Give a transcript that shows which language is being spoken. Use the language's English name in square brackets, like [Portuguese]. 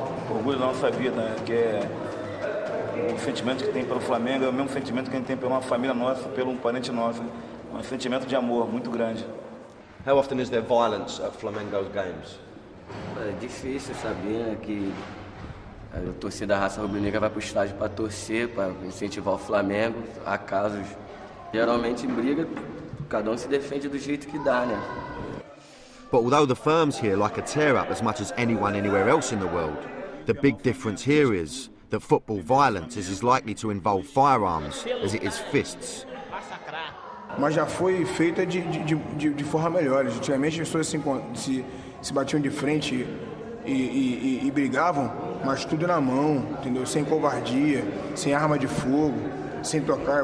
[Portuguese] Orgulho da nossa vida, que é o sentimento que tem pelo Flamengo, é o mesmo sentimento que a gente tem pela uma família nossa, pelo um parente nosso. Um sentimento de amor muito grande. [English] How often is there violence at Flamengo's games? [Portuguese] É difícil saber, né, que a torcida da raça rubro-negra vai pro estádio para torcer, para incentivar o Flamengo. Há casos, geralmente em briga, cada se defende do jeito que dá, né? [English] But although the firms here like a tear-up as much as anyone anywhere else in the world, the big difference here is that football violence is as likely to involve firearms as it is fists. [Portuguese] Mas já foi feita de forma melhor. Antigamente as pessoas se batiam de frente e brigavam, mas tudo na mão, entendeu? Sem covardia, sem arma de fogo, sem tocar.